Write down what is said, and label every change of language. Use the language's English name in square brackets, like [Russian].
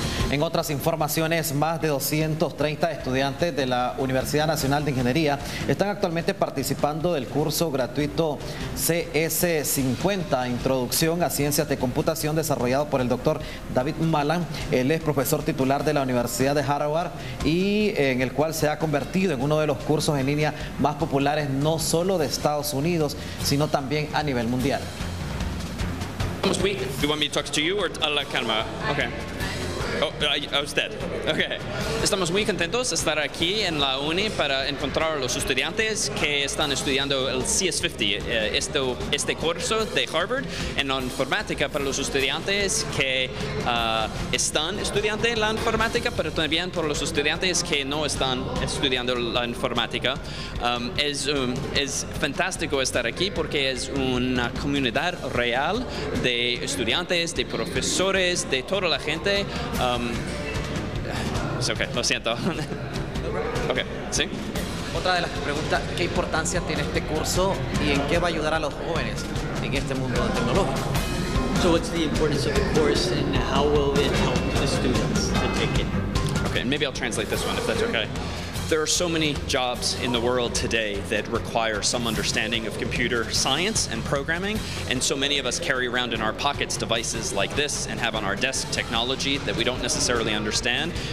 [Spanish] En otras informaciones, más de 230 estudiantes de la Universidad Nacional de Ingeniería están actualmente participando del curso gratuito CS50, Introducción a Ciencias de Computación, desarrollado por el doctor David Malan. Él es profesor titular de la Universidad de Harvard y en el cual se ha convertido en uno de los cursos en línea más populares, no solo de Estados Unidos, sino también a nivel mundial. [English] Sweet. Do you want me to talk to you or [Spanish] a la [English] camera? Okay. Oh, [Spanish] a usted. [English] Okay. [Spanish] Estamos muy contentos de estar aquí en la uni para encontrar a los estudiantes que están estudiando el CS50, este curso de Harvard en la informática para los estudiantes que están estudiando la informática, pero también para los estudiantes que no están estudiando la informática. Es fantástico estar aquí porque es una comunidad real de estudiantes, de profesores, de toda la gente. Es okay, lo siento. Okay, sí. Otra de las preguntas, ¿qué importancia tiene este curso y en qué va a ayudar a los jóvenes en este mundo tecnológico? [English] So what's the importance of the course and how will it help the students to take it? Okay, maybe I'll translate this one if that's okay. There are so many jobs in the world today that require some understanding of computer science and programming, and so many of us carry around in our pockets devices like this and have on our desk technology that we don't necessarily understand.